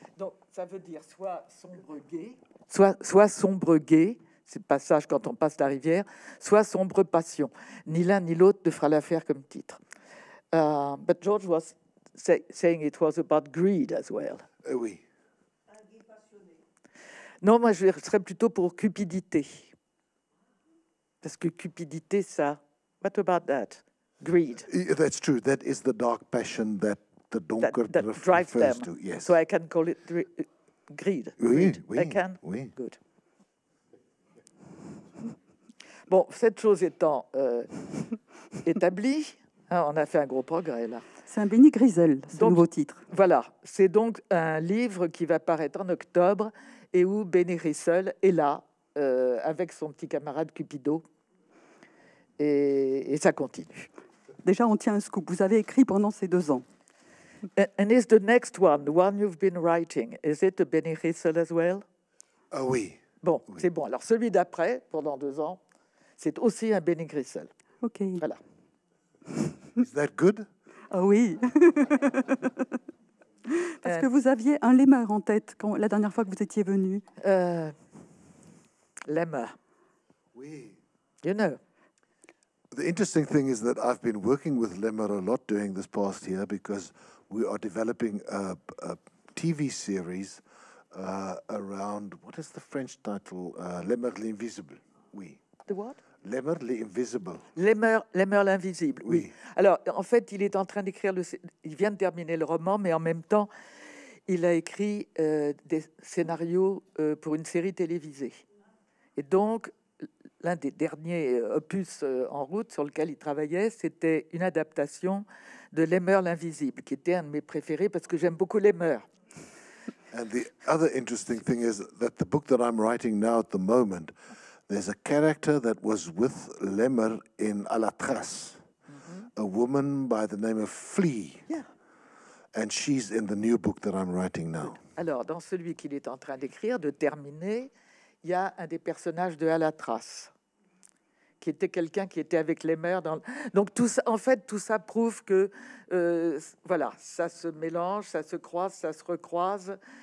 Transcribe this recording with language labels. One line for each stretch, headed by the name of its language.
French: Donc ça veut dire soit sombre gay, soit sombre gay, c'est le passage quand on passe la rivière, soit sombre passion. Ni l'un ni l'autre ne fera l'affaire comme titre.
English: But George was saying it was about greed as well.
French: Oui. Non, moi, je serais plutôt pour cupidité. Parce que cupidité, ça...
English: What about that? Greed. That's true. That is the dark passion that the donker that drives refers them. To. Yes. So I can call it greed.
French: Oui,
English: greed.
French: Oui.
English: I can?
French: Oui.
English: Good.
French: Bon, cette chose étant établie, hein, on a fait un gros progrès, là. C'est un Béni Grisel, ce nouveau titre. Voilà. C'est donc un livre qui va paraître en octobre et où Béni Grisel est là, avec son petit camarade Cupido. Et ça continue. Déjà, on tient un scoop. Vous avez écrit pendant ces 2 ans.
English: And is the next one, the one you've been writing, is it a Béni Grisel as well?
French: Oui. Bon, oui. C'est bon. Alors, celui d'après, pendant 2 ans, c'est aussi un Béni Grisel. OK. Voilà.
English: Is that good?
French: Ah oui. Parce que vous aviez un lemmer en tête la dernière fois que vous étiez venu. Lemmer. Oui.
English: You know. The interesting thing is that I've been working with Lemmer a lot during this past year because we are developing a TV series around, what is the French title?
French: Lemmer l'invisible. Oui.
English: The what?
French: Lemmer l'invisible. Lemmer l'invisible, oui. Alors, en fait, il est en train d'écrire, il vient de terminer le roman, mais en même temps, il a écrit des scénarios pour une série télévisée. Et donc, l'un des derniers opus en route sur lequel il travaillait, c'était une adaptation de Lemmer l'invisible, qui était un de mes préférés, parce que j'aime beaucoup Lemmer.
English: And the other interesting thing is that the book that I'm writing now at the moment, there's a character that was with Lemmer in À la Trace, a woman by the name of Flea. Yeah. And she's in the new book that I'm writing now.
French: Alors, dans celui qu'il est en train d'écrire, de terminer, il y a un des personnages de À la Trace, qui était quelqu'un qui était avec Lemmer. Dans... Donc, tout ça, en fait, tout ça prouve que voilà, ça se mélange, ça se croise, ça se recroise.